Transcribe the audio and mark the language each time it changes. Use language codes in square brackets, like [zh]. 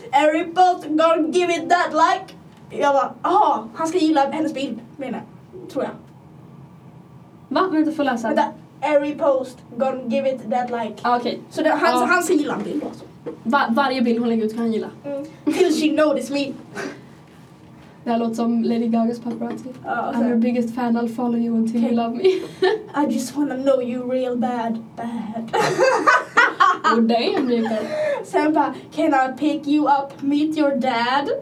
[en] Every post gonna give it that like... [sv] Jag bara, aha, han ska gilla hennes bild, menar jag. Tror jag. Va? Vänta, får läsa. Vänta. [en] Every post gonna give it that like... [sv] Okej. Okay. Så det, han, så han ska gilla en bild också. Varje bild hon lägger ut kan han gilla. [en] Mm. Till she notice me. [sv] Det här låter som Lady Gagas paparazzi. Oh, [en] I'm your biggest fan, I'll follow you until you love me. I just wanna know you real bad, bad. Oh damn, Rupert. Senpa, can I pick you up, meet your dad?